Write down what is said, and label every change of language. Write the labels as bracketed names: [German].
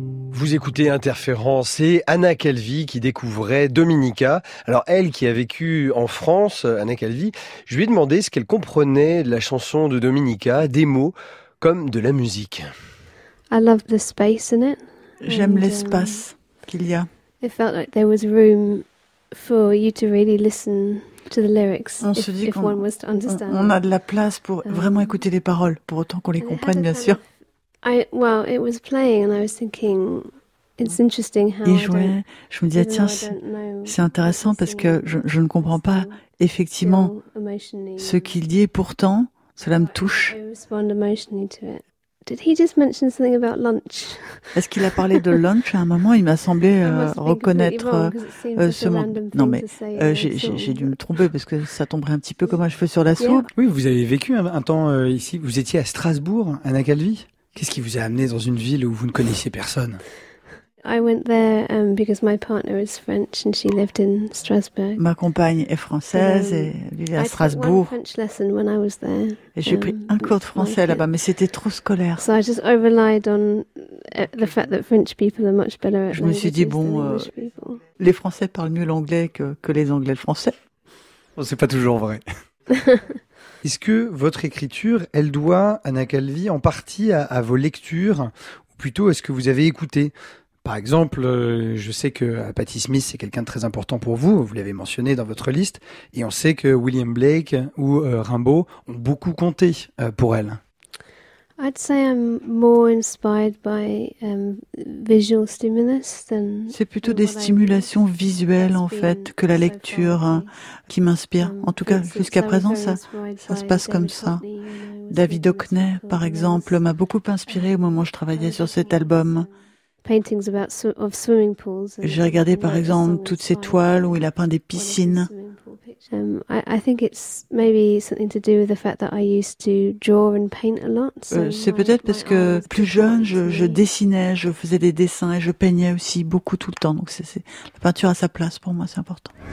[French] Vous écoutez Interférence, et Anna Calvi qui découvrait Dominica. Alors elle qui a vécu en France, Anna Calvi, je lui ai demandé ce qu'elle comprenait de la chanson de Dominica, des mots comme de la musique. [English] I love the space in it. [French] J'aime l'espace qu'il y a. [English] It felt like there was room for you to really listen to the lyrics. [French] On se dit qu'on a de la place pour vraiment écouter les paroles, pour autant qu'on les comprenne, bien sûr. [English] It was playing, and I was thinking, it's interesting how. [French] Il jouait. Je me disais, tiens, c'est intéressant parce que je ne comprends pas effectivement ce qu'il dit, et pourtant cela me touche. [English] Did he just mention something about lunch? [French] Est-ce qu'il a parlé de lunch à un moment? Il m'a semblé reconnaître ce mot. Non, mais j'ai dû me tromper parce que ça tomberait un petit peu comme un cheveu sur la soupe. Oui, vous avez vécu un temps ici. Vous étiez à Strasbourg, Anna Calvi. Qu'est-ce qui vous a amené dans une ville où vous ne connaissiez personne? [English] I went there because my partner is French and she lived in Strasbourg. [French] Ma compagne est française et elle vivait à Strasbourg. [English] I took one French lesson when I was there. [French] Et j'ai pris un cours de français là-bas, mais c'était trop scolaire. [English] So I just relied on the fact that French people are much better at [French] Je me suis dit bon, les Français parlent mieux l'anglais que les Anglais le français. Bon, c'est pas toujours vrai. Est-ce que votre écriture, elle doit, Anna Calvi, en partie à vos lectures, ou plutôt à ce que vous avez écouté? Par exemple, je sais que Patti Smith, c'est quelqu'un de très important pour vous, vous l'avez mentionné dans votre liste, et on sait que William Blake ou Rimbaud ont beaucoup compté pour elle. [English] I'd say I'm more inspired by visual stimulus than. [French] C'est plutôt des stimulations visuelles en fait que la lecture qui m'inspire. En tout cas, jusqu'à présent, ça se passe comme ça. David Hockney, par exemple, m'a beaucoup inspiré au moment où je travaillais sur cet album. [English] Paintings about of swimming pools. [French] J'ai regardé par exemple toutes ces toiles où il a peint des piscines. [English] I think it's maybe something to do with the fact that I used to draw and paint a lot. [French] C'est peut-être parce que plus jeune, je dessinais, je faisais des dessins et je peignais aussi beaucoup tout le temps. Donc c'est la peinture a sa place pour moi, c'est important.